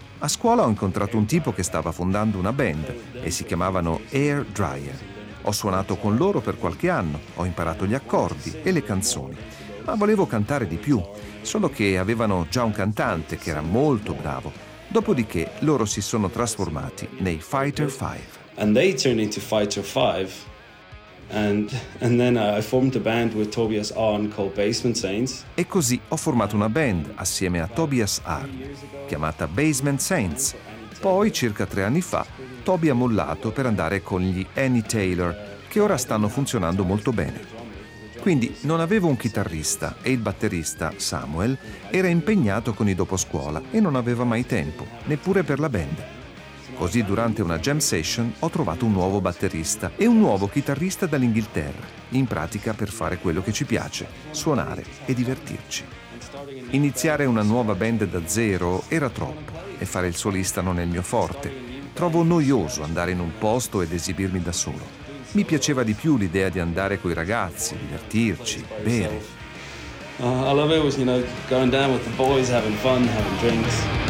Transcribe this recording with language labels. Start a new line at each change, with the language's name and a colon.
Italian: A scuola ho incontrato un tipo che stava fondando una band e si chiamavano Air Dryer. Ho suonato con loro per qualche anno, ho imparato gli accordi e le canzoni, ma volevo cantare di più, solo che avevano già un cantante che era molto bravo. Dopodiché loro si sono trasformati nei Fighter Five.
English: And they turned into Fighter Five. And then I formed a band with Tobias Arn called Basement Saints.
Italian: E così ho formato una band assieme a Tobias Arn, chiamata Basement Saints. Poi, circa 3 anni fa, Toby ha mollato per andare con gli Annie Taylor, che ora stanno funzionando molto bene. Quindi non avevo un chitarrista e il batterista, Samuel, era impegnato con i doposcuola e non aveva mai tempo, neppure per la band. Così durante una jam session ho trovato un nuovo batterista e un nuovo chitarrista dall'Inghilterra, in pratica per fare quello che ci piace, suonare e divertirci. Iniziare una nuova band da zero era troppo e fare il solista non è il mio forte. Trovo noioso andare in un posto ed esibirmi da solo. Mi piaceva di più l'idea di andare coi ragazzi, divertirci, bere.
English: I love it, you know, going down with the boys, having fun, having drinks.